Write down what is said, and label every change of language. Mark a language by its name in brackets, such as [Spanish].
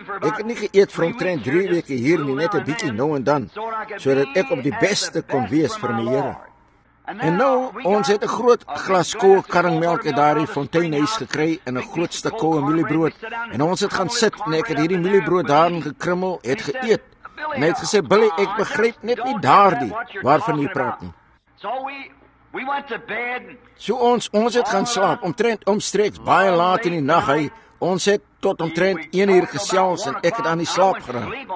[Afrikaans] Ek het nie geëet vir omtrent 3 weke hier nie, net een bykie nou en dan, so dat ek op die beste kon wees vir my Here. En nou, ons het een groot glas koue karringmelk in daar die fonteinhuis gekry en een groot stuk koue mieliebrood. En ons het gaan sit en ek het hierdie mieliebrood daarin gekrimmel, het geëet. En hy het gesê, Billy, ek begryp net nie daar die, waarvan jy praat nie. [English] We went to bed. [Afrikaans] So ons het gaan slaap, omtrent omstreeks, baie laat in die nacht, hy, ons het tot omtrent 1 uur gesels en ek het aan die slaap geraak.